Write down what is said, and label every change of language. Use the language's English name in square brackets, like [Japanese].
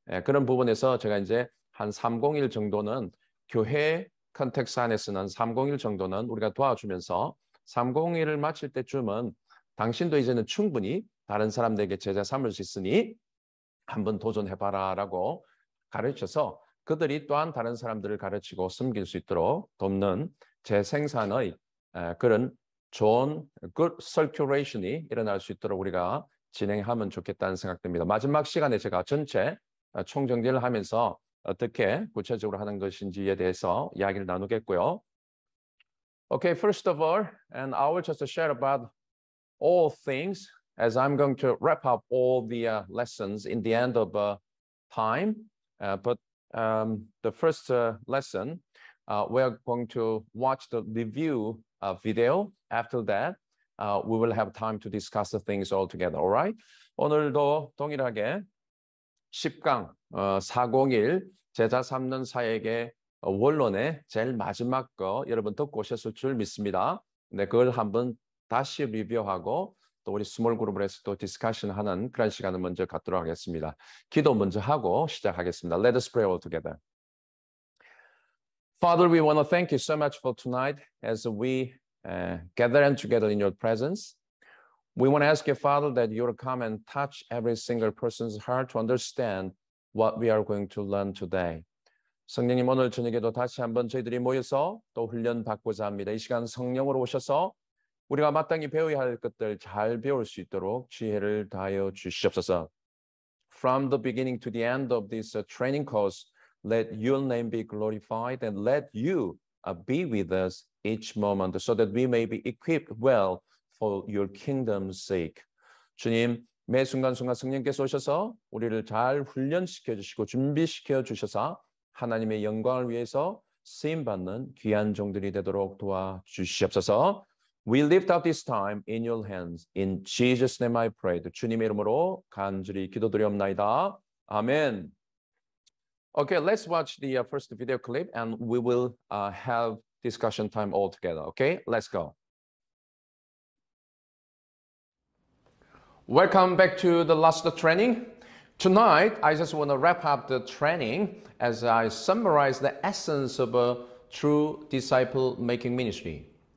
[Korean] 예, 그런 부분에서 제가 이제 한 301 정도는 교회 컨텍스트 안에서는 301 정도는 우리가 도와주면서 301을 마칠 때쯤은 당신도 이제는 충분히 다른 사람들에게 제자 삼을 수 있으니 한번 도전해봐라 라고 가르쳐서 그들이 또한 다른 사람들을 가르치고 섬길 수 있도록 돕는 재생산의 그런 좋은 [English] good circulation [Korean] 이 일어날 수 있도록 우리가 진행하면 좋겠다는 생각됩니다. 마지막 시간에 제가 전체 총정리를 하면서 어떻게 구체적으로 하는 것인지에 대해서 이야기를 나누겠고요. [English] Okay, first of all, and I will just share about all things as I'm going to wrap up all the lessons in the end of time. But the first lesson, we're going to watch the review video. After that, we will have time to discuss the things all together, all right? [Korean] 오늘도 동일하게 10강 401 제자 삼는 사역의 원론의 제일 마지막 거 여러분 듣고 오셨을 줄 믿습니다. 네, 그걸 한번 다시 리뷰하고 또 우리 스몰 그룹을 해서 또 디스커션 하는 그런 시간을 먼저 갖도록 하겠습니다. 기도 먼저 하고 시작하겠습니다. [English] Let us pray all together. Father, we want to thank you so much for tonight as we gather and together in your presence. We want to ask you, Father, that you will come and touch every single person's heart to understand what we are going to learn today. [Korean] 성령님, 오늘 저녁에도 다시 한번 저희들이 모여서 또 훈련 받고자 합니다. 이 시간 성령으로 오셔서 우리가 마땅히 배워야 할 것들 잘 배울 수 있도록 지혜를 다하여 주시옵소서. [English] From the beginning to the end of this training course, let your name be glorified and let you be with us each moment so that we may be equipped well for your kingdom's sake. [Korean] 주님, 매 순간순간 성령께서 오셔서 우리를 잘 훈련시켜 주시고 준비시켜 주셔서 하나님의 영광을 위해서 쓰임받는 귀한 종들이 되도록 도와주시옵소서. [English] We lift up this time in your hands. In Jesus' name I pray. [Korean] 주님의 이름으로 간절히 기도드리옵나이다. 아멘. [English] Okay, let's watch the first video clip and we will have discussion time all together. Okay, let's go. Welcome back to the last training. Tonight, I just want to wrap up the training as I summarize the essence of a true disciple-making ministry.